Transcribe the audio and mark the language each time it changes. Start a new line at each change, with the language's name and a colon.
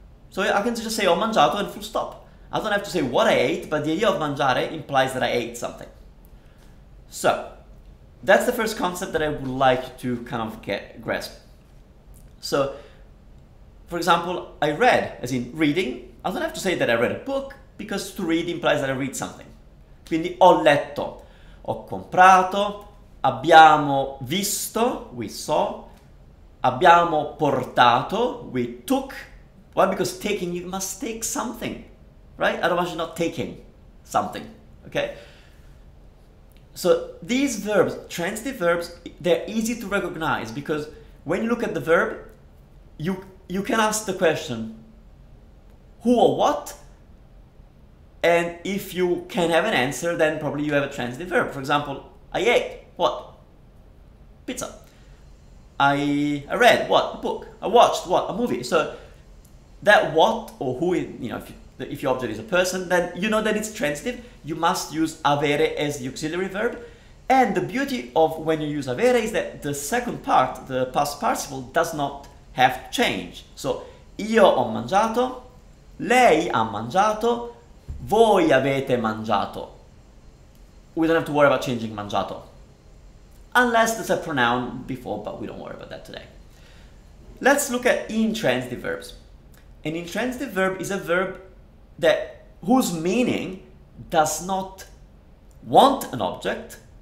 English: So I can just say
Italian: ho mangiato
English: and full stop. I don't have to say what I ate, but the idea of mangiare implies that I ate something. So that's the first concept that I would like to kind of get grasp. So for example, I read, as in reading. I don't have to say that I read a book, because to read implies that I read something.
Italian: Quindi ho letto, ho comprato, abbiamo visto,
English: we saw,
Italian: abbiamo portato,
English: we took. Why? Because taking, you must take something, right? Otherwise you're not taking something, okay? So these verbs, transitive verbs, they're easy to recognize because when you look at the verb, you can ask the question, who or what? And if you can have an answer, then probably you have a transitive verb. For example, I ate, what? Pizza. I read, what? A book. I watched, what? A movie. So that what or who, you know, if your object is a person, then you know that it's transitive. You must use avere as the auxiliary verb. And the beauty of when you use avere is that the second part, the past participle, does not have to change.
Italian: So io ho mangiato, lei ha mangiato, voi avete mangiato.
English: We don't have to worry about changing mangiato. Unless there's a pronoun before, but we don't worry about that today. Let's look at intransitive verbs. An intransitive verb is a verb that whose meaning does not want an object.